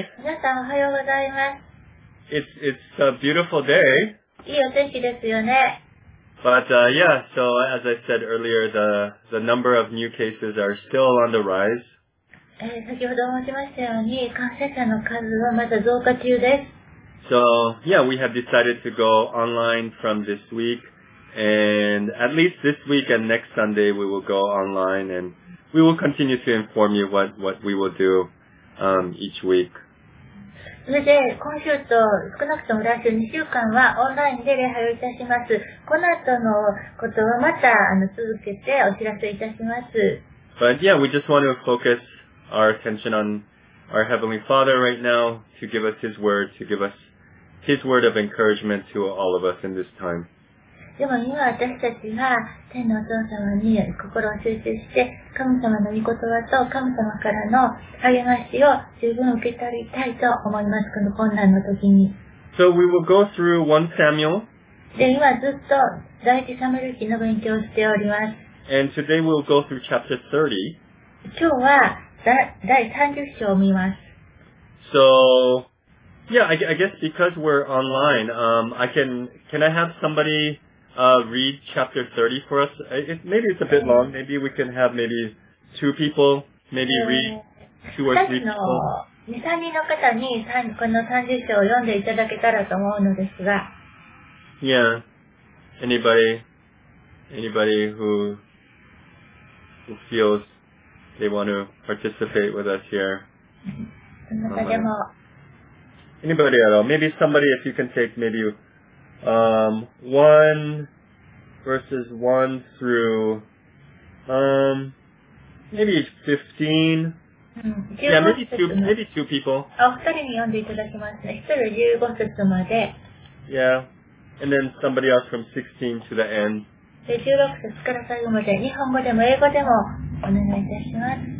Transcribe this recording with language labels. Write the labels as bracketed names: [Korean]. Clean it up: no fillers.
[Japanese] 皆さん、おはようございます。 [English] It's a beautiful day. [Japanese] いいお天気ですよね。 [English] But, yeah, so as I said earlier, the number of new cases are still on the rise. [Japanese] 先ほど申しましたように、感染者の数はまだ増加中です。 [English] So, yeah, we have decided to go online from this week. And at least this week and next Sunday, we will go online and we will continue to inform you what we will do, each week. [Japanese] それで、今週と少なくとも来週2週間はオンラインで礼拝をいたします。この後のことはまた続けてお知らせいたします。 [English] But yeah, we just want to focus our attention on our Heavenly Father right now to give us His word, to give us His word of encouragement to all of us in this time. [Japanese] でも今私たちは天のお父様に心を集中して神様の御言葉と神様からの励ましを十分受け取りたいと思いますこの困難の時に。 [English] So we will go through 1 Samuel. [Japanese] で今ずっと第一サムエル記の勉強をしております。 [English] And today we'll go through chapter 30. [Japanese] 今日は第30章を見ます。 [English] So... Yeah, I guess because we're online, can I have somebody, read chapter 30 for us? Maybe it's a bit long. Maybe we can have maybe two people, maybe read two or three people. [Japanese] 2、3人の方にこの30章を読んでいただけたらと思うのですが。 [English] Yeah. Anybody who feels they want to participate with us here. Anybody at all? Maybe somebody, if you can take maybe, 1 verses 1 through, maybe 15. Yeah, maybe two people. [Japanese] お二人に読んでいただきますね。一人15節まで。 [English] Yeah. And then somebody else from 16 to the end. [Japanese] で、16節から最後まで、日本語でも英語でもお願いいたします。